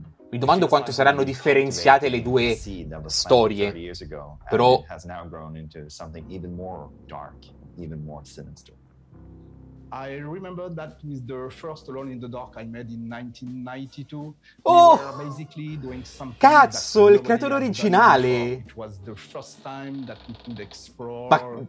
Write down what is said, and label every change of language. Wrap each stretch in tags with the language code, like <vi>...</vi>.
<it>Mi domando quanto saranno differenziate le due storie, però</it> <en>has now grown into something even more dark, even more sinister. I remember that with the first Alone in the Dark I made in 1992. Oh, we were basically doing something.</en> <it>Cazzo, il creatore originale.</it> <en>It was the first time that we could explore.</en>